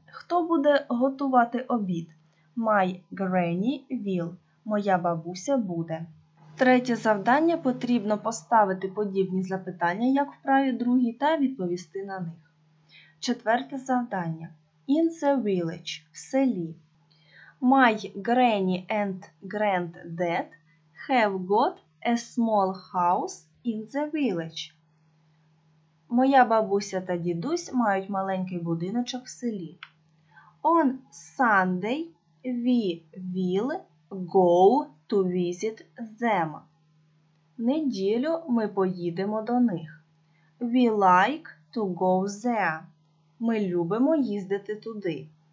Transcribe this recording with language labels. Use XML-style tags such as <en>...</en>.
<uk>Хто буде готувати обід?</uk> <en>My granny will.</en> <uk>Моя бабуся буде. Третє завдання. Потрібно поставити подібні запитання, як в праві другій, та відповісти на них. Четверте завдання.</uk> <en>In the village.</en> <uk>В селі.</uk> <en>My granny and granddad have got a small house in the village.</en> <uk>Моя бабуся та дідусь мають маленький будиночок в селі.</uk> <en>On Sunday we will go to visit them.</en> <uk>В неділю ми поїдемо до них.</uk> <en>We like to go there.</en> <uk>Ми любимо їздити туди.</uk>